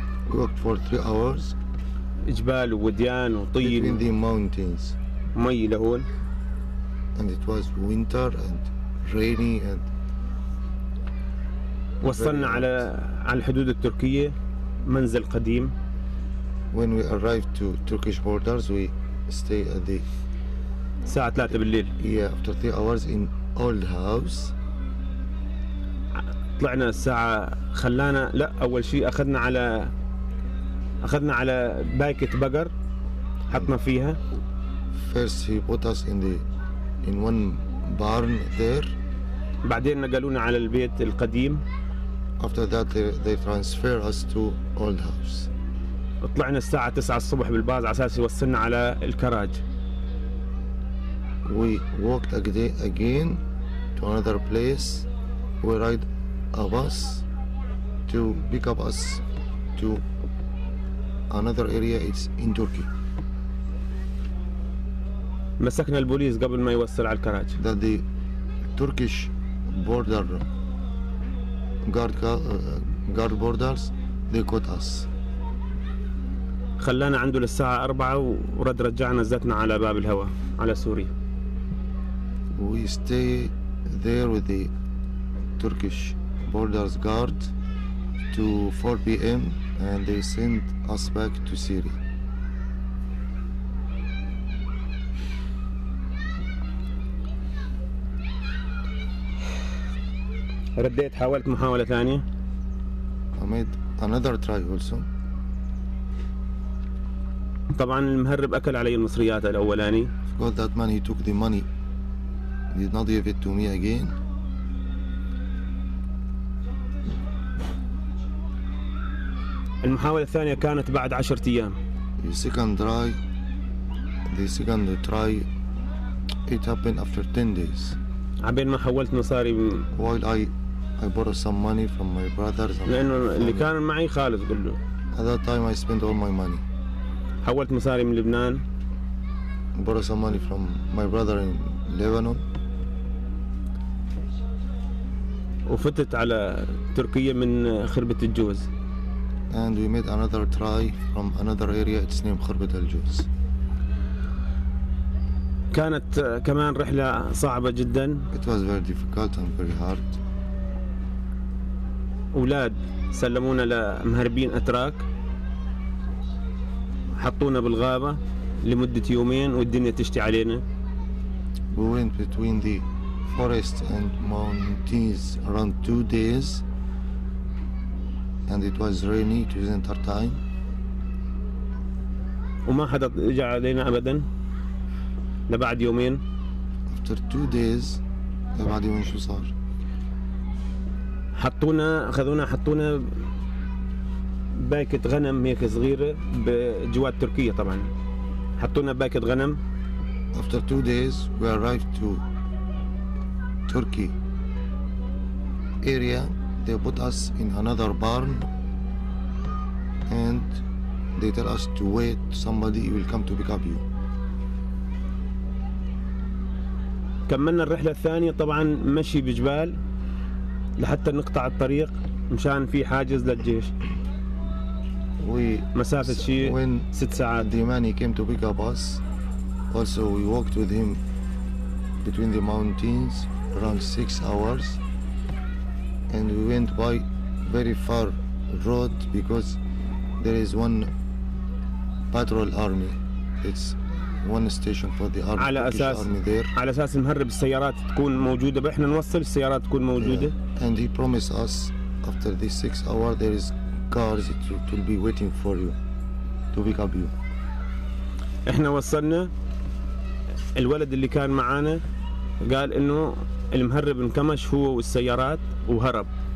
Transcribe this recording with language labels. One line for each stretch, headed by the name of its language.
English: We walked for 3 hours.
Arabic: جبال ووديان وطين.
English: In the mountains.
Arabic: مي لهون.
English: And it was winter and rainy and.
Arabic: وصلنا على الحدود التركية منزل قديم.
English: When we arrived to Turkish borders, we stay at the.
Arabic: ساعة 3 بالليل.
English: Yeah, after 3 hours in old house.
Arabic: طلعنا الساعة خلانا لا أول شيء أخذنا على باكة بقر حطنا فيها.
English: First he put us in one barn there.
Arabic: بعدين نقلونا على البيت القديم.
English: After that they transfer us to old house.
Arabic: طلعنا الساعة 9 الصبح بالباص على أساس يوصلنا على الكراج.
English: We walked again to another place. We ride a bus to pick up us to another area. It's in Turkey.
Arabic: مسكنا البوليس قبل ما يوصل على الكراج.
English: That the Turkish border guard borders they caught us.
Arabic: خلانا عنده للساعة 4 ورد رجعنا زتنا على باب الهوى على سوريا.
English: We stay there with the Turkish borders guard to 4 p.m. and they send us back to Syria.
Arabic: رديت حاولت محاولة ثانية.
English: I made another try also.
Arabic: طبعا المهرب أكل علي المصريات الأولاني.
English: Of course that man he took the money. He did not give it to me again.
Arabic: المحاولة الثانية كانت بعد 10 أيام.
English: The second try it happened after 10 days.
Arabic: عبين ما حولت مصاري.
English: While I borrowed some money from my brothers.
Arabic: لأنه اللي كان معي خالص كله.
English: At that time I spent all my money.
Arabic: حولت مصاري من لبنان.
English: I borrowed some money from my brother in Lebanon.
Arabic: وفتت على تركيا من خربة الجوز.
English: And we made another try from another area. It's named خربة الجوز.
Arabic: كانت كمان رحلة صعبة جدا.
English: It was very difficult and very hard.
Arabic: أولاد سلمونا لمهربين أتراك حطونا بالغابة لمدة يومين والدنيا تشتي علينا.
English: We went between the forest and mountains around 2 days and it was rainy, it wasn't our time.
Arabic: وما حدا اجى علينا أبدا لبعد يومين.
English: After 2 days
Arabic: لبعد يومين شو صار؟ حطونا باكة غنم هيك صغيرة بجوات تركيا طبعا. حطونا باكة غنم.
English: After 2 days we arrived to Turkey area. They put us in another barn and they tell us to wait, somebody will come to pick up you.
Arabic: كملنا الرحلة الثانية طبعا مشي بجبال لحتى نقطع الطريق مشان في حاجز للجيش.
English: We
Arabic: مسافة شيء 6 ساعات.
English: The man he came to pick up us Also, we walked with him between the mountains around 6 hours, and we went by very far road because there is one patrol army. It's one station for the army.
Arabic: على أساس
English: army there.
Arabic: على أساس المهرب السيارات تكون موجودة بإحنا نوصل السيارات تكون موجودة.
English: Yeah. And he promised us after the 6 hours there is cars to be waiting for you to pick up you.
Arabic: إحنا وصلنا الولد اللي كان معانا قال إنه المهرب انكمش هو والسيارات وهرب.